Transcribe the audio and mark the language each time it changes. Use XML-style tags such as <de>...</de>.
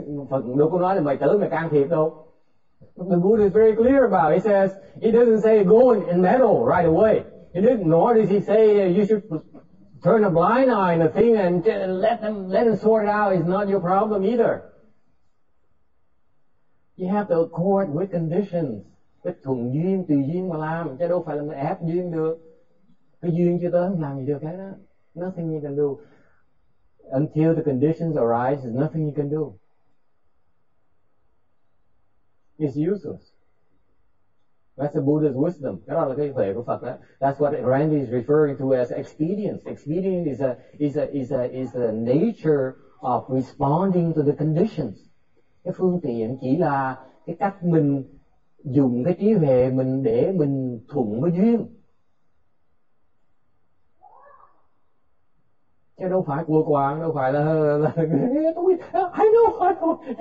<vi>Phật đâu có nói là mày tưởng mày can thiệp đâu.</vi> <en>The Buddha is very clear about it. He says, he doesn't say go and meddle right away. He didn't, nor does he say you should turn a blind eye on the thing and let them sort it out. It's not your problem either. You have to accord with conditions.</en> <vi>Cái thuận duyên, tùy duyên mà làm, chứ đâu phải là mình ép duyên được. Cái duyên chưa tới, làm gì được hết á.</vi> <en>Nothing you can do. Until the conditions arise, there's nothing you can do. It's useless. That's the Buddha's wisdom.</en> <vi>Cái đó là cái thể của Phật đó.</vi> <en>That's what Randy is referring to as expedience. Expedience is a nature of responding to the conditions.</en> <vi>Cái phương tiện chỉ là cái cách mình dùng cái trí huệ mình để mình thuận với duyên. Chứ đâu phải cua quàng, đâu phải là tôi,</vi> <en>I know, I know.</en>